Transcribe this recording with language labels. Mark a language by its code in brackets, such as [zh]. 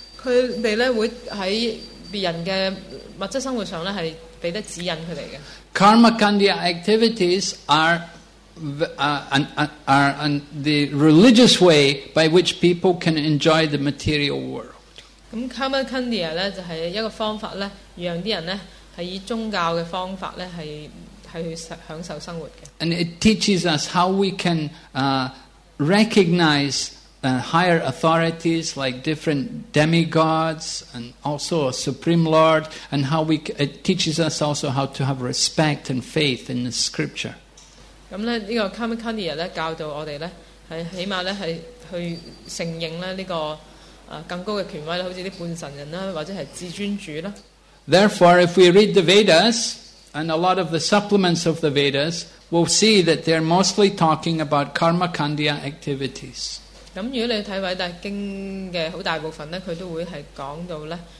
[yue] 佢哋咧會喺別人嘅物質生活上咧係俾得指引佢哋嘅。 [en] Karmakandiya activities are the religious way by which people can enjoy the material world. [yue] Karmakandiya 咧就係一個方法咧，讓啲人咧係以宗教嘅方法咧係去享受生活嘅。 [en] And it teaches us how we can recognize higher authorities like different demigods and also a supreme lord, and how we it teaches us also how to have respect and faith in the scripture. [yue] 咁咧，呢個 Karmakandiya 咧教導我哋咧，係起碼咧係去承認咧呢個更高嘅權威啦，好似啲半神人啦，或者係至尊主啦。 [en] Therefore, if we read the Vedas and a lot of the supplements of the Vedas, we'll see that they're mostly talking about Karmakandiya activities. [yue] 咁如果你睇偉大經嘅好大部分咧，佢都會係講到咧。